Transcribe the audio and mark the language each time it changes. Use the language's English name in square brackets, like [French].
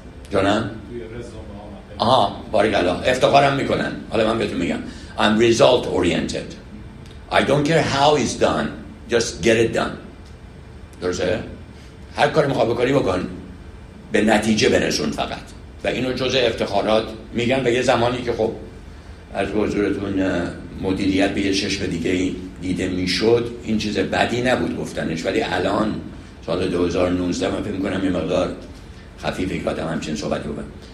[Persian] جانم؟ آها بارگلا، افتخارم میکنن. حالا من بهتون میگم [English] I'm result oriented. I don't care how it's done, just get it done. [Persian] درسته؟ هر کاری میخوای بکنی بکن، به نتیجه برسون فقط. و اینو جزء افتخارات میگن. به یه زمانی که خب از حضورتون مدیریت به یه چشم دیگه دیده میشد، این چیز بدی نبود گفتنش. ولی الان سال 2019 من فکر میکنم این مقدار خفیفه که آدم همچین صحبت بکنم.